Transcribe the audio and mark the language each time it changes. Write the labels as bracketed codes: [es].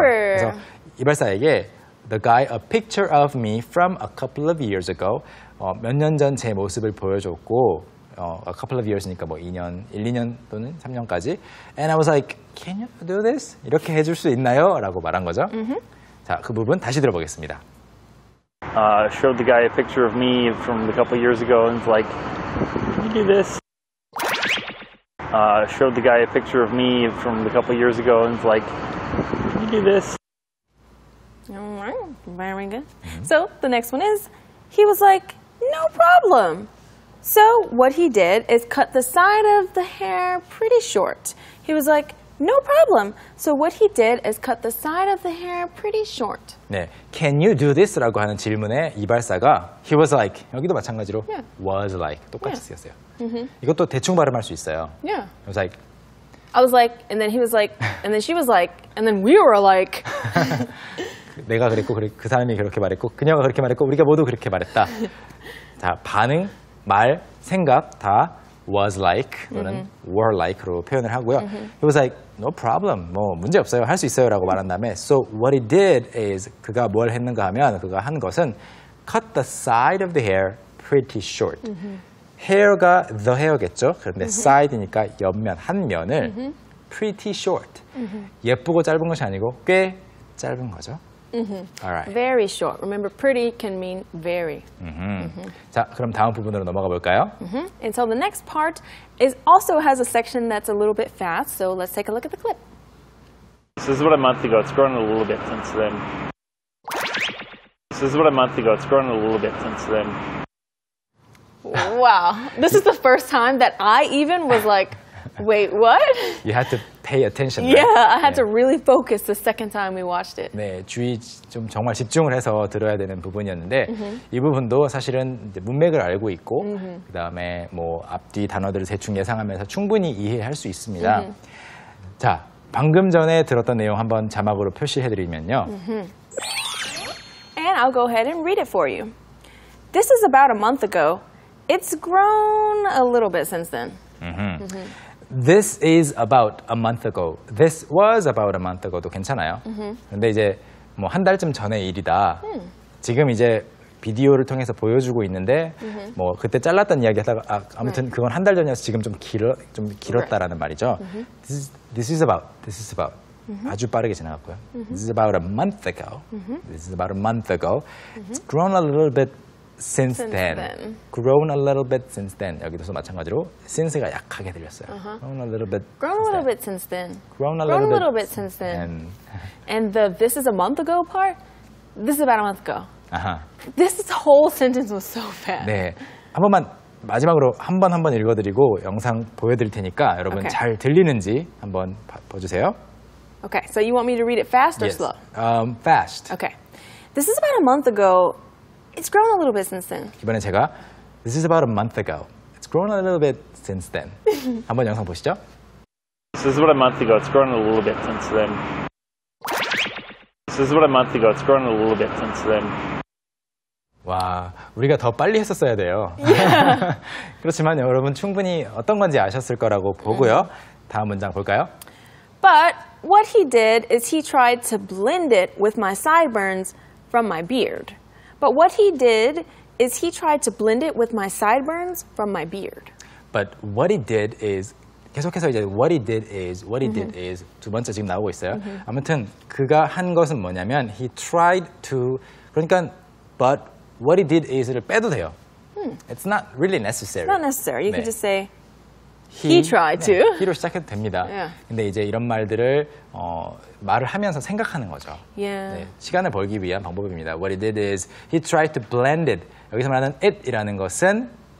[ko] 그래서 이발사에게 [en] the guy a picture of me from a couple of years ago [ko] 몇 년 전 제 모습을 보여줬고 [en] a couple of years니까 [ko] 뭐 2년, 1, 2년 또는 3년까지 [en] and I was like can you do this? [ko] 이렇게 해줄 수 있나요? 라고 말한 거죠. 자, 그 부분 다시 들어보겠습니다. [en] Showed the guy a picture of me from a couple of years ago and was like can you do this? Showed the guy a picture of me from a couple of years ago and was like Can you do this? Alright, very good. So, the next one is, he was like, no problem. So, what he did is cut the side of the hair pretty short. He was like, No problem. So what he did is cut the side of the hair pretty short. [ko] 네, [en] can you do this? [ko] 라고 하는 질문에 이발사가 [en] he was like, [ko] 여기도 마찬가지로 [en] yeah. was like, [ko] 똑같이 [en] yeah. [ko] 쓰였어요. Mm-hmm. 이것도 대충 발음할 수 있어요. [en] Yeah. He was like, I was like, and then he was like, and then she was like, and then we were like. [ko] 내가 그랬고, 그 사람이 그렇게 말했고, 그녀가 그렇게 말했고, 우리가 모두 그렇게 말했다. 자, 반응, 말, 생각 다 was like 또는 mm-hmm. were like로 표현을 하고요. Mm-hmm. [en] He was like, no problem. [ko] 뭐 문제 없어요. 할 수 있어요. 라고 말한 다음에 [en] So what he did is [ko] 그가 뭘 했는가 하면 그가 한 것은 [en] cut the side of the hair pretty short. Mm-hmm. [ko] hair가 the hair겠죠. 그런데 mm-hmm. side이니까 옆면, 한 면을 mm-hmm. pretty short. Mm-hmm. 예쁘고 짧은 것이 아니고 꽤 짧은 거죠. Mm-hmm. [en] All right. Very short. Remember, pretty can mean very. Mm-hmm. Mm-hmm. [ko] 자, 그럼 다음 부분으로 넘어가 볼까요? Mm-hmm. [en] And so the next part is also has a section that's a little bit fast. So let's take a look at the clip. This is about a month ago. It's grown a little bit since then. This is about a month ago. It's grown a little bit since then. Wow. This is the first time that I even was like, Wait, what? You had to pay attention. Right? Yeah, I had 네. to really focus the second time we watched it. [ko] 네, 주의 좀 정말 집중을 해서 들어야 되는 부분이었는데 mm-hmm. 이 부분도 사실은 이제 문맥을 알고 있고 mm-hmm. 그다음에 뭐 앞뒤 단어들을 대충 예상하면서 충분히 이해할 수 있습니다. Mm-hmm. 자, 방금 전에 들었던 내용 한번 자막으로 표시해드리면요. Mm-hmm. [en] And I'll go ahead and read it for you. This is about a month ago. It's grown a little bit since then. Mm-hmm. Mm-hmm. This is about a month ago. This was about a month ago도 [ko] 괜찮아요. Mm-hmm. 근데 이제 뭐 한 달쯤 전의 일이다. Mm. 지금 이제 비디오를 통해서 보여주고 있는데 mm-hmm. 뭐 그때 잘랐던 이야기 하다가 아, 아무튼 right. 그건 한 달 전이어서 지금 좀 길었다라는 말이죠. Mm-hmm. [en] This is about. Mm-hmm. [ko] 아주 빠르게 지나갔고요. Mm-hmm. [en] This is about a month ago. Mm-hmm. This is about a month ago. Mm-hmm. It's grown a little bit Since then. Grown a little bit since then. [ko] 여기서도 마찬가지로 since가 약하게 들렸어요. Uh-huh. [en] Grown a little bit. Grown a little bit since then. Grown a little bit since then. And the this is a month ago part. This is about a month ago. Uh-huh. This whole sentence was so fast. [ko] 네. 한 번만 마지막으로 한번 읽어 드리고 영상 보여 드릴 테니까 여러분 [en] okay. [ko] 잘 들리는지 한번 봐 주세요. [en] Okay. So you want me to read it fast or yes. slow? Fast. Okay. This is about a month ago. It's grown a little bit since then. [ko] 이번에 제가 [en] This is about a month ago. It's grown a little bit since then. [ko] 한번 영상 보시죠. [en] This is about a month ago. It's grown a little bit since then. This is about a month ago. It's grown a little bit since then. [ko] 와, 우리가 더 빨리 했었어야 돼요. [en] Yeah. [ko] 그렇지만 여러분 충분히 어떤 건지 아셨을 거라고 보고요. 다음 문장 볼까요? [en] But what he did is he tried to blend it with my sideburns from my beard. But what he did is he tried to blend it with my sideburns from my beard. But what he did is [ko] 계속해서 이제 [en] what he did is [ko] 두 번째 지금 나오고 있어요. Mm-hmm. 아무튼 그가 한 것은 뭐냐면 [en] he tried to [ko] 그러니까 [en] but what he did is [ko] 를 빼도 돼요. Hmm. [en] It's not really necessary. It's not necessary. You [ko] 네. [en] can just say he tried [ko] 네, [en] to. [ko] He로 시작해도 됩니다. [en] Yeah. [ko] 근데 이제 이런 말들을 말을 하면서 생각하는 거죠. [en] Yeah. 네, [ko] 시간을 벌기 위한 방법입니다. [en] What he did is he tried to blend it. [ko] 여기서 말하는 it이라는 것은